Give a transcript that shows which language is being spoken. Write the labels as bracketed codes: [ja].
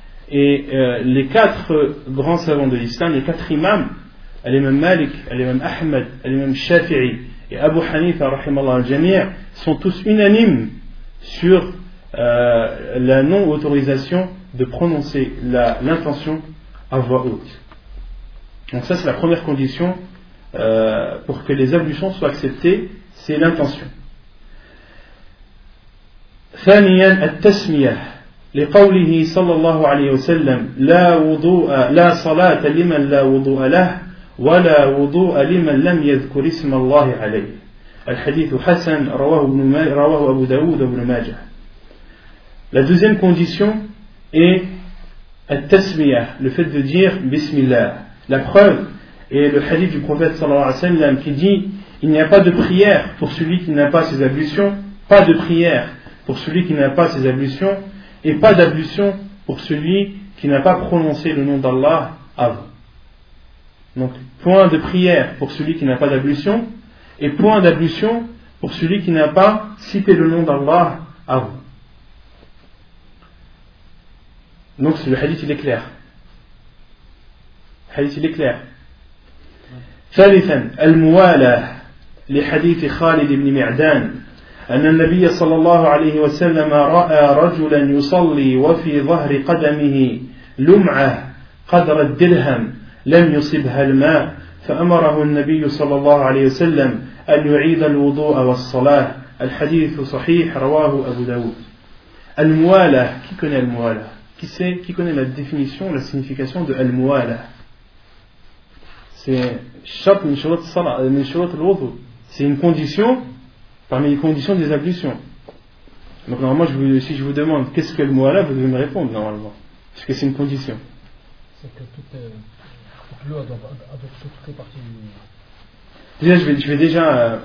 [fr] Et les quatre grands savants de l'islam, les quatre imams, l'imam Malik, l'imam Ahmed, l'imam Shafi'i et Abu Hanifa, rahimallah al-jami', sont tous unanimes sur la non-autorisation de prononcer l'intention à voix haute. Donc ça, c'est la première condition pour que les ablutions soient acceptées, c'est l'intention. [ar] ثانياً التسمية لقوله صلى الله عليه وسلم لا وضوء لا صلاة لمن لا وضوء له ولا وضوء لمن لم يذكر اسم الله عليه الحديث حسن رواه أبو داود وابن ماجه. [fr] La deuxième condition est التسمية, le fait de dire بسم الله. La preuve est le hadith du prophète صلى الله عليه وسلم qui dit: il n'y a pas de prière pour celui qui n'a pas ses ablutions, pas de prière pour celui qui n'a pas ses ablutions, et pas d'ablution pour celui qui n'a pas prononcé le nom d'Allah avant. Donc, point de prière pour celui qui n'a pas d'ablution, et point d'ablution pour celui qui n'a pas cité le nom d'Allah avant. Donc, le hadith, il est clair. Le hadith, il est clair. [ar] Thalithan, al-muwala, [fr] les hadiths [ar] Khalid ibn Mi'dan, أن النبي صلى الله عليه وسلم رأى رجلا يصلي وفي ظهر قدمه لمعة قدر الدرهم لم يصبها الماء فأمره النبي صلى الله عليه وسلم أن يعيد الوضوء والصلاة الحديث صحيح رواه أبو داود. [fr] الموالة, qui connaît الموالة, qui sait, qui connaît la définition, la signification de الموالة? C'est [ar] شرط من شروط الصلاة, من شروط الوضوء. [fr] C'est une condition parmi les conditions des ablutions. Donc normalement, si je vous demande qu'est-ce que le mu'alah, vous devez me répondre normalement. Parce que c'est une condition. C'est que toute l'eau adopte toutes les parties du mu'alah. Déjà, je vais déjà...